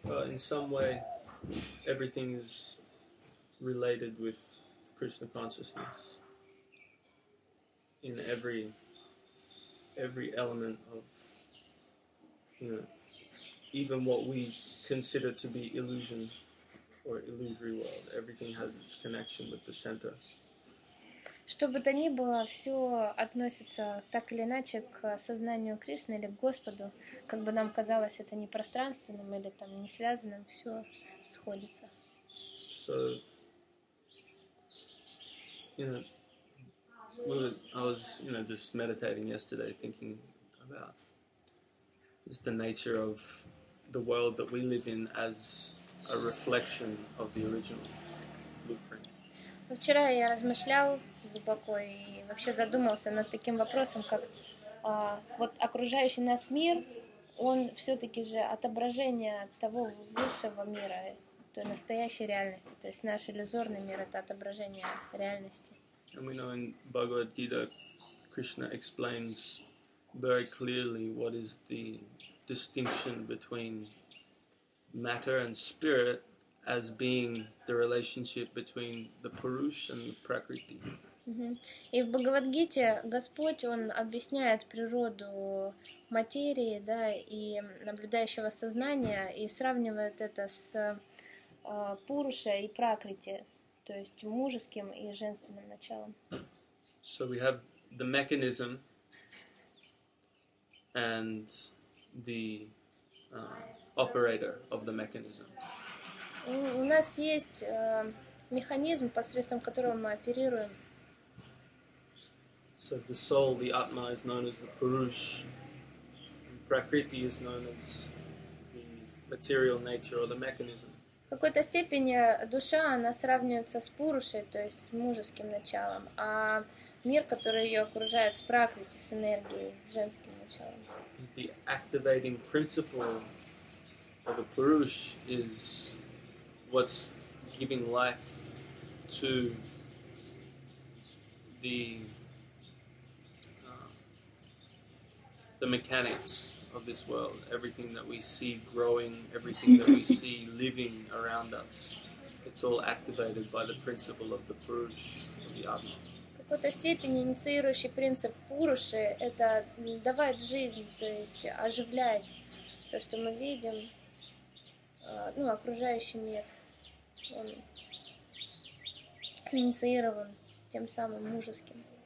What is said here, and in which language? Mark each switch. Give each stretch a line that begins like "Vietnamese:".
English: In some way, everything is related with Krishna consciousness. In every element of, you know, even what we consider to be illusion or illusory world, everything has its connection with the center.
Russian: Что бы то ни было, все относится так или иначе к сознанию Кришны или к Господу. Как бы нам казалось это непространственным или там не связанным, все сходится.
English: So, you know, well, I was, you know, just meditating yesterday, thinking about just the nature of the world that we live in as a reflection of the original blueprint.
Russian: Вчера я размышлял глубоко и вообще задумался над таким вопросом, как вот окружающий нас мир, он все-таки же отображение того высшего мира, той настоящей реальности. То есть наш иллюзорный мир — это отображение реальности.
English: And we know in Bhagavad Gita, Krishna explains very clearly what is the distinction between matter and spirit. As being the relationship between the Purush and the Prakriti.
Russian: И в Бхагавад-гите Господь, Он объясняет природу материи, да, и наблюдающего сознания, и сравнивает это с Пуруша и Пракрити, то есть мужеским и женственным началом.
English: So we have the mechanism and the operator of the mechanism.
Russian: У нас есть механизм, посредством которого мы оперируем.
English: So the soul, the Atma, is known as the Purush. Prakriti is known as the material nature or the mechanism.
Russian: В какой-то степени душа, она сравнивается с Пурушей, то есть с мужеским началом, а мир, который ее окружает, с Пракрити, с энергией, с женским началом.
English: The activating principle of the Purush is what's giving life to the mechanics of this world, everything that we see growing, everything that we see living around us, it's all activated by the principle of the Purush, the Atma.
Russian: В какой-то степени инициирующий принцип Пуруши — это давать жизнь, то есть оживлять то, что мы видим, ну, окружающий мир. Он инициирован тем самым мужеским.